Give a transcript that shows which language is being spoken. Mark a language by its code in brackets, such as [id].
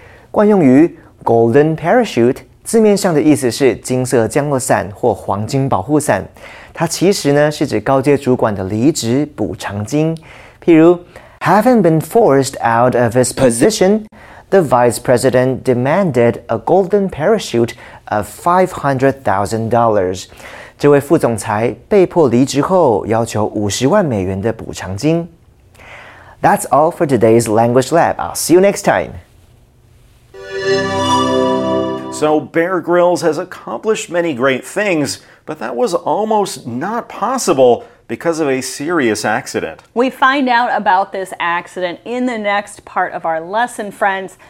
[zh] 惯用于 Golden Parachute,字面上的意思是金色降落伞或黄金保护伞，它其实呢是指高阶主管的离职补偿金。譬如 [en] ，Having been forced out of his position, the vice president demanded a golden parachute of $500,000. [zh] 这位副总裁被迫离职后，要求$500,000的补偿金。 [en] That's all for today's Language Lab. I'll see you next time. So Bear Grylls has accomplished many great things, but that was almost not possible because of a serious accident. We find out about this accident in the next part of our lesson, friends.